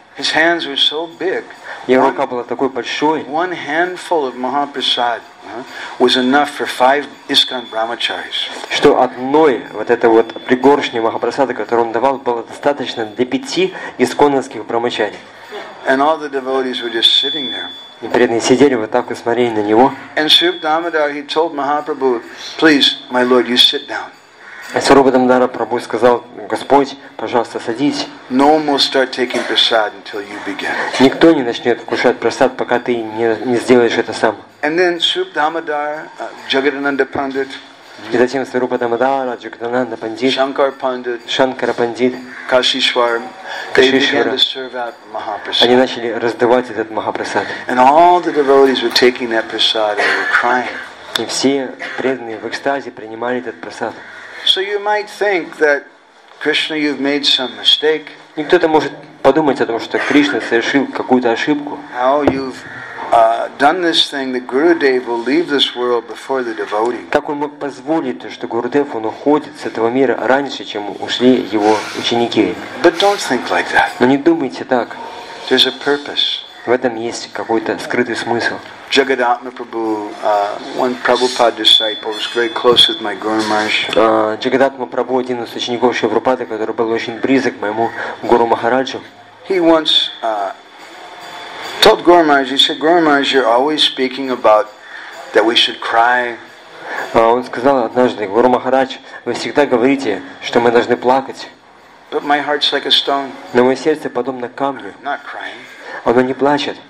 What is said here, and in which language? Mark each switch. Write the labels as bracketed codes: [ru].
[en] His hands were so big. [ru] Его рука была такой большой. [en] One handful of Mahaprasad was enough for 5 ISKCON Brahmacharis. [ru] Что одной вот этой вот пригоршни Махапрасада, которую он давал, было достаточно для 5 исконных брахмачарий. [en] And all the devotees were just sitting there. [ru] И преданные сидели вот так и смотрели на него. [en] And Subhadamadar, he told Mahaprabhu, please, my lord, you sit down. [ru] А Сарупадамдар Прабху сказал, Господь, пожалуйста, садись. [en] No one will start taking prasad until you begin. [ru] Никто не начнет кушать прасад, пока ты не сделаешь это сам. [en] And then Subhadamadar, Jagadananda Pandit. [ru] И затем Сарупадамдар, Джагадананда Пандит. [en] Shankar Pandit. [ru] Шанкара Пандит. Кашишвар. Они начали раздавать этот Махапрасад. [en] And all the devotees were taking that prasad and were crying. [ru] И все преданные в экстазе принимали этот прасад. [en] So you might think that Krishna, you've made some mistake. [ru] Кто-то может подумать о том, что Кришна совершил какую-то ошибку. [en] How you've done this thing that Gurudev will leave this world before the devotee? [ru] Как он мог позволить, что Гурудев он уходит с этого мира раньше, чем ушли его ученики? [en] But don't think like that. [ru] Но не думайте так. [en] There's a purpose. [ru] В этом есть какой-то скрытый смысл. [en] Jagadatma Prabhu, one Prabhupada disciple, was very close with my Guru Maharaj. [ru] Jagadatma Prabhu, один из учеников Шри Прабхупады, который был очень близок моему Гуру Махараджу. [en] He once told Guru Maharaj, he said, Guru Maharaj, you're always speaking about that we should cry. [ru] Он сказал однажды, Гуру Махарадж, вы всегда говорите, что мы должны плакать. Но мое сердце подобно камню. Оно не плачет.